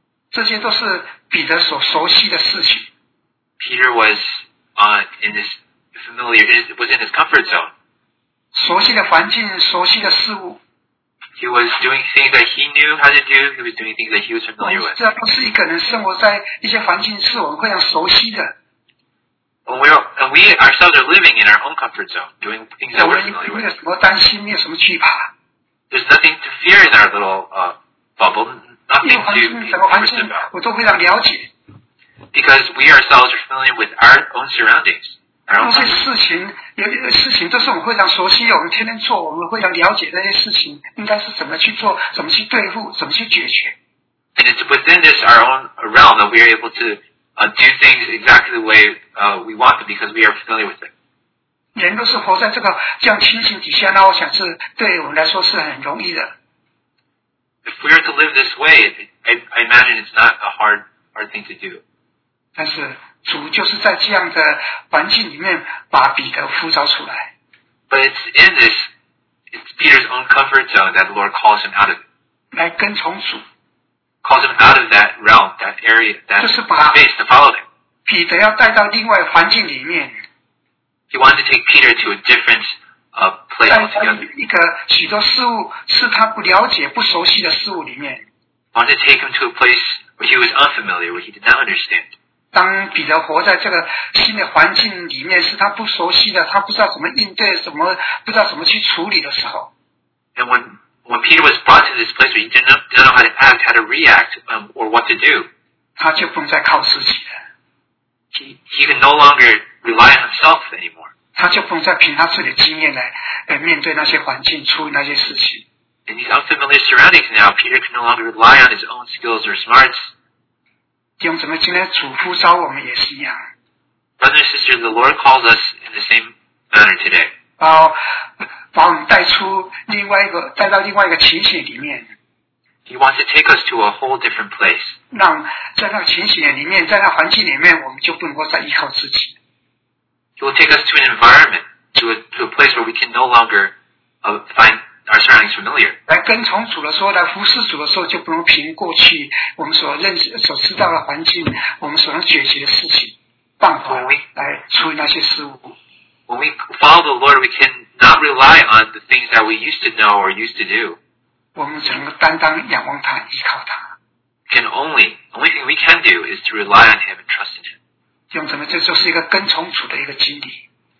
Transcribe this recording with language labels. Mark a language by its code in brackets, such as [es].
[zh] 这些都是彼得所熟悉的事情。 [en] Peter was in his comfort zone. [zh] 熟悉的环境，熟悉的事物。 [en] He was doing things that he knew how to do. He was doing things that he was familiar with. [zh] 这不是一个人生活在一些环境是我们非常熟悉的。 [en] And we ourselves are living in our own comfort zone, doing things that we're familiar with. [zh] 没有什么担心，没有什么惧怕。 [en] There's nothing to fear in our little bubble. Nothing to be concerned about. [zh] 我都非常了解。 [en] Because we ourselves are familiar with our own surroundings. [zh] 那些事情都是我们非常熟悉，我们天天做，我们非常了解那些事情应该是怎么去做，怎么去对付，怎么去解决。 [en] And it's within this our own realm that we are able to do things exactly the way we want them because we are familiar with it. [zh] 人都是活在这样情形底下，那我想是对我们来说是很容易的。 [en] If we are to live this way, I imagine it's not a hard thing to do. [zh] 但是主就是在这样的环境里面把彼得呼召出来。 [en] But it's Peter's own comfort zone that the Lord calls him out of. [zh] 来跟从主。 [en] Calls him out of that realm, that area, that space to follow him. [zh] 彼得要带到另外的环境里面。 [en] He wanted to take Peter to a different place altogether. [zh] 一个许多事物是他不了解、不熟悉的事物里面。 [en] Wanted to take him to a place where he was unfamiliar, where he did not understand. [zh] 当彼得活在这个新的环境里面，是他不熟悉的，他不知道怎么应对，不知道怎么去处理的时候。 [en] And when Peter was brought to this place where he didn't know how to act, how to react, or what to do, [zh] 他就不能再靠自己了。 [en] He can no longer rely on himself anymore. [zh] 他就不能再凭他自己的经验来面对那些环境，处理那些事情。 [en] In these unfamiliar surroundings now, Peter can no longer rely on his own skills or smarts. [zh] 弟兄姊妹，今天主呼召我们也是一样。 [en] Brothers and sisters, the Lord calls us in the same manner today. [zh] 把我们带到另外一个情形里面。 [en] He wants to take us to a whole different place. [zh] 让在那个情形里面，在那环境里面，我们就不能够再依靠自己。 [en] He will take us to an environment, to a place where we can no longer find. Our surroundings familiar. [zh] 来跟从主的时候，来服侍主的时候，就不能凭过去我们所认识、所知道的环境，我们所能解决的事情办法来处理那些事物。 [en] When we follow the Lord, we cannot rely on the things that we used to know or used to do. [zh] 我们只能单单仰望他，依靠他。 [en] Only thing we can do is to rely on Him and trust in Him. [zh] 用什么？这就是一个跟从主的一个经历。